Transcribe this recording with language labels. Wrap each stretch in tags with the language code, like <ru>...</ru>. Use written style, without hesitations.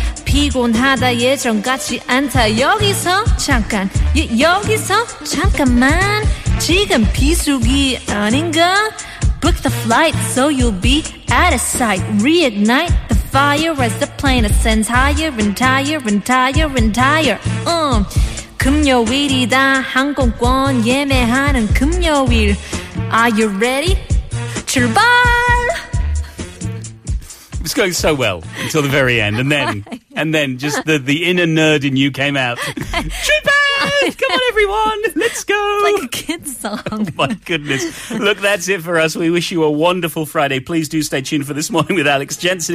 <ko>피곤하다 예전 같지 않다 여기서 잠깐 여기서 잠깐만 지금 비수기 아닌가?</ko> <en>Book the flight so you'll be out of sight. Reignite the fire as the plane ascends higher and higher and higher and higher.</en> <ko>금요일이다 항공권 예매하는 금요일.</ko> <en>Are you ready?</en> <ko>출발!</ko> <en>It's going so well until the very end. And then, and then just the inner nerd in you came out. Trooper! Come on, everyone. Let's go. Like a kid's song. Oh, my goodness. Look, that's it for us. We wish you a wonderful Friday. Please do stay tuned for This Morning with Alex Jensen.</en>